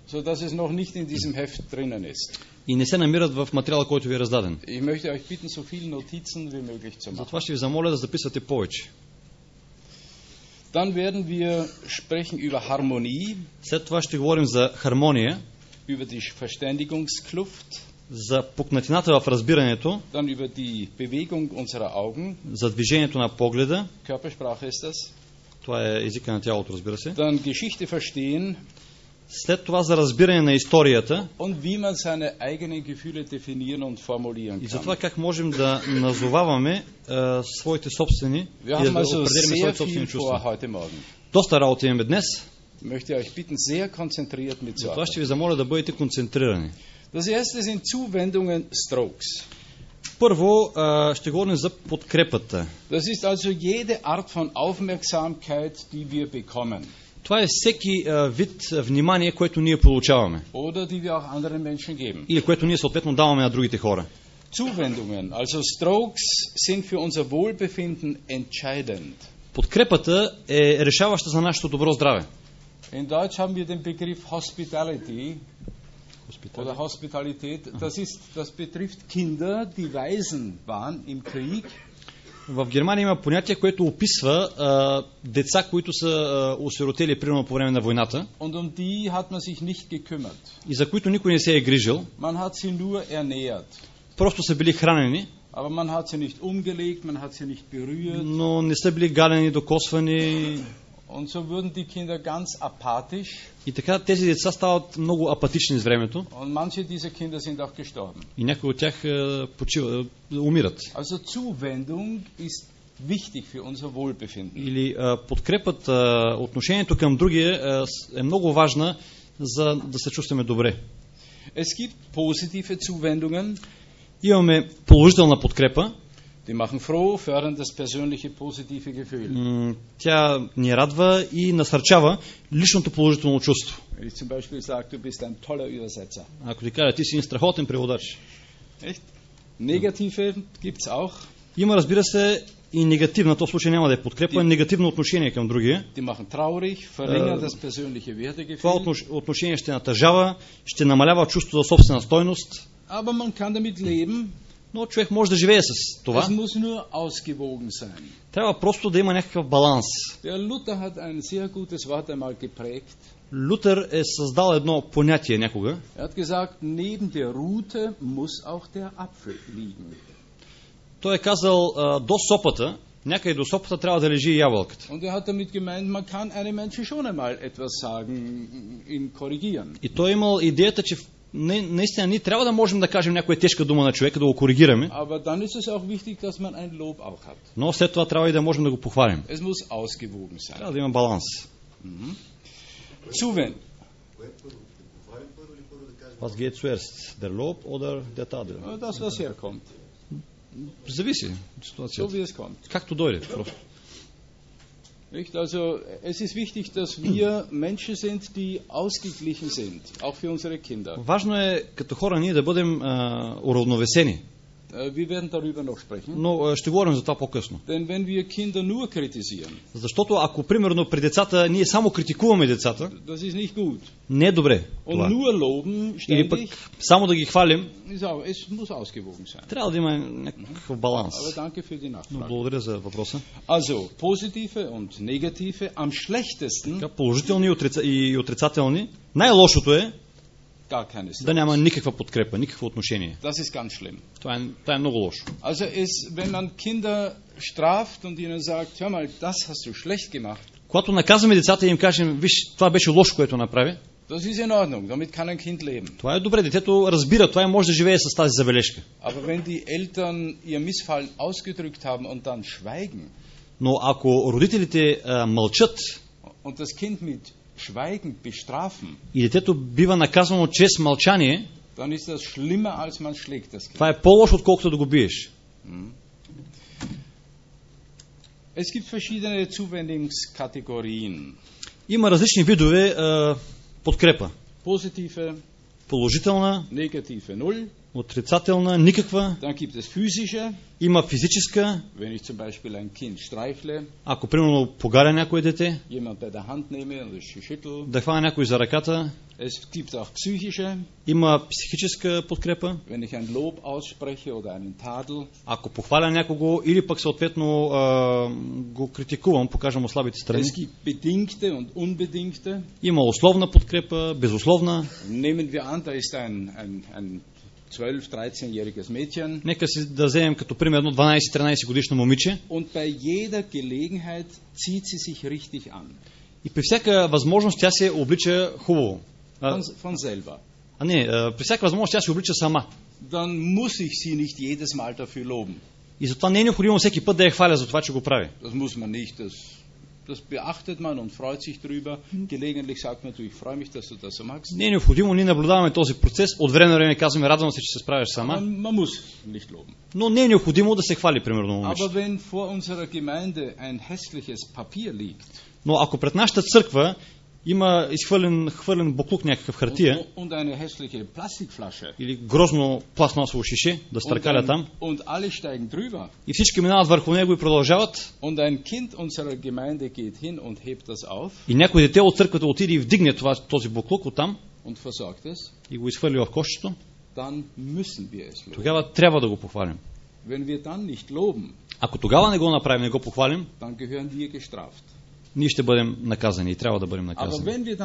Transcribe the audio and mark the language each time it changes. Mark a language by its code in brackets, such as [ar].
[de] So dass es noch nicht in diesem Heft drinnen ist. [bg] И не се намират в материала, който ви е раздаден. [de] Ich möchte euch bitten, so viele Notizen wie möglich zu machen. [bg] Затова ще ви замоля да записвате повече. [de] Dann werden wir sprechen über Harmonie. [bg] След това ще говорим за хармония. [de] Über die Verständigungskluft. [bg] За пукнатината в разбирането. [de] Dann über die Bewegung unserer Augen. [bg] За движението на погледа. [de] Körpersprache ist das. [bg] Това е езика на тялото, разбира се. [de] Dann Geschichte verstehen. [bg] След това за разбиране на историята. [de] Und wie man seine eigenen Gefühle definieren und formulieren kann. [bg] И за това как можем да назоваваме своите собствени и да определим своите собствени чувства. Доста работа имаме днес. [de] Möchte euch bitten, sehr konzentriert mitzuarbeiten. [bg] Затова ще ви замоля да бъдете концентрирани. [de] Das erste sind Zuwendungen, Strokes. [bg] Първо ще говорим за подкрепата. [de] Das ist also jede Art von Aufmerksamkeit, die wir bekommen. [bg] Това е всеки вид внимание, което ние получаваме. [de] Oder die wir auch anderen Menschen geben. [bg] Или което ние съответно даваме на другите хора. [de] Zuwendungen, also Strokes, sind für unser Wohlbefinden entscheidend. [bg] Подкрепата е решаваща за нашето добро здраве. [de] In Deutsch haben wir den Begriff Hospitality, oder Hospitalität. Das betrifft Kinder, die Waisen waren im Krieg. [bg] В Германия има понятие, което описва деца, които са осиротели примерно по време на войната. [de] Und um die hat man sich nicht gekümmert. [bg] И за които никой не се е грижил. [de] Man hat sie nur ernährt. [bg] Просто са били хранени. [de] Aber man hat sie nicht umgelegt, man hat sie nicht berührt. [bg] Но не сте били галени, докосвани. [de] Und so wurden die Kinder ganz apathisch. [bg] И така тези деца стават много апатични с времето. [de] Und manche dieser Kinder sind auch gestorben. [bg] И някои от тях почиват, умират. [de] Also Zuwendung ist wichtig für unser Wohlbefinden. [bg] Или подкрепата, отношението към другия е много важна, за да се чувстваме добре. [de] Es gibt positive Zuwendungen. [bg] Имаме положителна подкрепа. [de] Die machen froh, fördern das persönliche positive Gefühl. [bg] Тя ни радва и насърчава личното положително чувство. [de] Ich zum Beispiel sage, du bist ein toller Übersetzer. [bg] Ако ти кажа, ти си един страхотен преводач. [de] Echt? Негативе gibt's auch. [bg] Има, разбира се, и негативна, в този случай няма да е подкрепа, негативно отношение към другия. [de] Die machen traurig, verringern das persönliche Wertegefühl. [bg] Това отношение ще натъжава, ще намалява чувство за собствена стойност. [de] Aber man kann damit leben. [bg] Но човек може да живее с това. [de] Es muss nur ausgewogen sein. [bg] Трябва просто да има някакъв баланс. [de] Der Luther hat ein sehr gutes Wort einmal geprägt. [bg] Лютер е създал едно понятие някога. [de] Er hat gesagt, neben der Rute muss auch der Apfel liegen. [bg] Той е казал, до сопата, някъде до сопата трябва да лежи ябълката. [de] Und er hat damit gemeint, man kann einem Menschen schon einmal etwas sagen in korrigieren. [bg] И той е имал идеята, че наистина, ние трябва да можем да кажем някоя тежка дума на човека, да го коригираме. [de] Aber dann ist es auch wichtig, dass man ein Lob auch hat. [bg] Но след това трябва и да можем да го похвалим. [de] Es muss ausgewogen sein. [bg] Трябва да има баланс. [de] Zuwen. Was geht zuerst? Der Lob oder der Tadel? Das, was herkommt. [bg] Зависи ситуацията. [de] So wie es kommt. [bg] Както дойде, просто. [de] Nicht? Also, es ist wichtig, dass wir Menschen sind, die ausgeglichen sind, auch für unsere Kinder. [bg] Важно е като хора ние да бъдем уравновесени. [de] Wir werden darüber noch sprechen. [bg] Но ще говорим за това по-късно. [de] Denn wenn wir Kinder nur kritisieren. [bg] Защото ако примерно при децата ние само критикуваме децата, [de] das ist nicht gut. [bg] Не е добре. [de] Und nur loben, [bg] или пък само да ги хвалим. [de] Es muss ausgewogen sein. [bg] Трябва да има някакъв баланс. [de] Aber danke für die Nachfrage. [bg] Но благодаря за въпроса. [de] Also, positive und negative am schlechtesten. [bg] Така, положителни и отрицателни. Най-лошото е да няма никаква подкрепа, никакво отношение. [de] Das ist ganz schlimm. [bg] Това е много лошо. [de] Also ist, wenn man Kinder straft und ihnen sagt, hör mal, das hast du schlecht gemacht. [bg] Когато наказваме децата и им кажем, виж, това беше лошо, което направи. [de] Das ist in Ordnung, damit kann ein Kind leben. [bg] Това е добре, детето разбира, това е може да живее с тази забележка. [de] Aber wenn die Eltern ihr Missfallen ausgedrückt haben und dann schweigen. [bg] Но ако родителите мълчат. [de] Und das Kind mit Schweigen bestrafen. [bg] И детето бива наказано чрез мълчание. [de] Dann ist das schlimmer als man schlägt das Kind. [bg] Това е по-лошо, отколкото да го биеш. [de] Es gibt verschiedene Zuwendungskategorien. [bg] Има различни видове подкрепа. [de] Positive, [bg] положителна, [de] negative, null. [bg] Отрицателна, никаква. [de] Dann gibt es physische. [bg] Има физическа. [de] Wenn ich zum Beispiel ein Kind streifle. [bg] Ако примерно погаря някое дете. [de] Jemand bei der Hand nehme und es schüttel. [bg] Да хвана някой за ръката. [de] Es gibt auch psychische. [bg] Има психическа подкрепа. [de] Wenn ich ein Lob ausspreche oder einen Tadel. [bg] Ако похваля някого или пък съответно го критикувам, покажа му слабите страни. [de] Es gibt bedingte und unbedingte. [bg] Има условна подкрепа, безусловна. [de] Nehmen wir an, da ist ein 12-13-jähriges Mädchen. [bg] Нека си да вземем като пример едно 12-13 годишно момиче. [de] Und bei jeder Gelegenheit zieht sie sich richtig an. [bg] И при всяка възможност тя се облича хубаво. [de] Von selber. [bg] А не, при всяка възможност тя се облича сама. [de] Dann muss ich sie nicht jedes Mal dafür loben. [bg] И затова не е необходимо всеки път да я хваля за това, че го прави. [de] Das muss man nicht, das beachtet man und freut sich drüber. Gelegentlich sagt man, du, ich freue mich, dass du das machst. [bg] Не е необходимо, ние наблюдаваме този процес. От време на време казваме, радвам се, че се справяш сама. [de] Man muss nicht loben. [bg] Но не е необходимо да се хвали, примерно, момичето. [de] Aber wenn vor unserer Gemeinde ein hässliches Papier liegt. [bg] Но ако пред нашата църква има изхвърлен буклук, някакъв хартия. [de] Und eine hässliche Plastikflasche. [bg] Или грозно пластмасово шише, да стъркаля там. [de] Und alle steigen drüber. [bg] И всички минават върху него и продължават. [de] Und ein Kind unserer Gemeinde geht hin und hebt das auf. [bg] И някой дете от църквата отиде и вдигне това, този буклук от там. [de] Und versorgt es. [bg] И го изхвърли в кошчето. [de] Dann müssen wir es loben. [bg] Тогава трябва да го похвалим. [de] Wenn wir dann nicht loben. [bg] Ако тогава не го направим, не го похвалим, [de] dann gehören wir gestraft. [bg] Ние ще бъдем наказани и трябва да бъдем наказани.